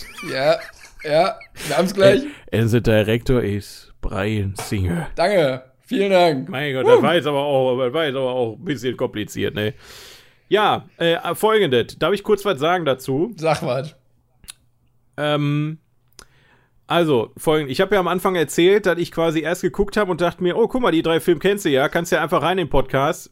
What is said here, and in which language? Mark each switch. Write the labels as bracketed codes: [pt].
[de] Ja, ja, wir haben es gleich. [en] And the director is Bryan Singer. [de] Danke, vielen Dank. Mein Gott, das war jetzt aber auch ein bisschen kompliziert, ne? Ja, folgendes, darf ich kurz was sagen dazu? Sag was. Also, folgendes, ich habe ja am Anfang erzählt, dass ich quasi erst geguckt habe und dachte mir, oh, guck mal, die drei Filme kennst du ja, kannst ja einfach rein in den Podcast.